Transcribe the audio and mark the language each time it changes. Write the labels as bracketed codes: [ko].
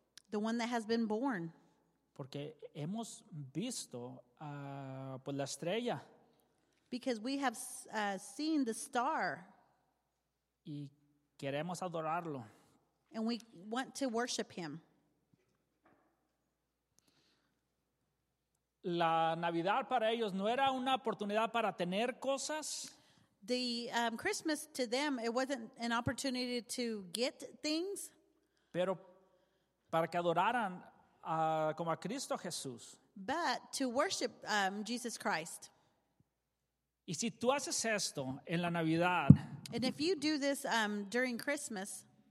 [en] The one that has been born. [es] Porque hemos visto la estrella. [en] Because we have seen the star. [es] Y queremos adorarlo. [en] And we want to worship him. [es] La Navidad para ellos no era una oportunidad para tener cosas. [en] The Christmas to them, it wasn't an opportunity to get things. [es] Pero para que adoraran como a Cristo Jesús. [en] But to worship Jesus Christ. [es] Y si tú haces esto en la Navidad. [en] And if you do this during Christmas.